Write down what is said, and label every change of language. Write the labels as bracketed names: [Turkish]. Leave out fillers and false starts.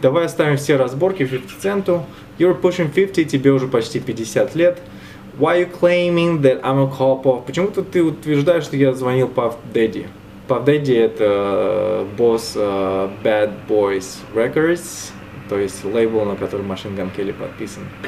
[Russian] Давай оставим все разборки 50 центу. [English] You're pushing 50, [Russian] тебе уже почти 50 лет. [English] Why you claiming that I'm a cop off? [Russian] Почему-то ты утверждаешь, что я звонил Puff Daddy. Puff Daddy это босс Bad Boys Records. То есть лейбл, на который Machine Gun Kelly подписан.